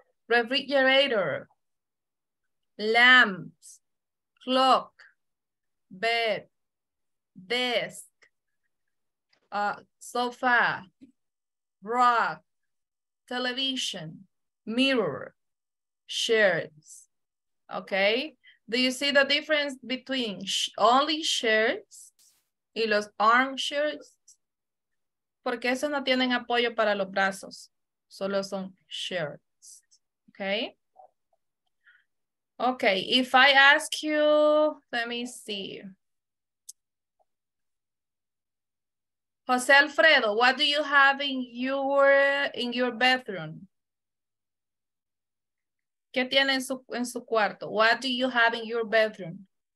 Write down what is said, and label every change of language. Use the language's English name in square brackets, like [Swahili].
[English] Refrigerator. Lamps, clock, bed, desk, sofa, rock, television, mirror, chairs. Okay, do you see the difference between only chairs [Spanish] y los [English] armchairs? [Spanish] Porque esos no tienen apoyo para los brazos, solo son chairs. [English] Okay. Okay, if I ask you, let me see. Jose Alfredo, what do you have in your bedroom? [Spanish] ¿Qué tiene en su cuarto? [English] What do you have in your bedroom?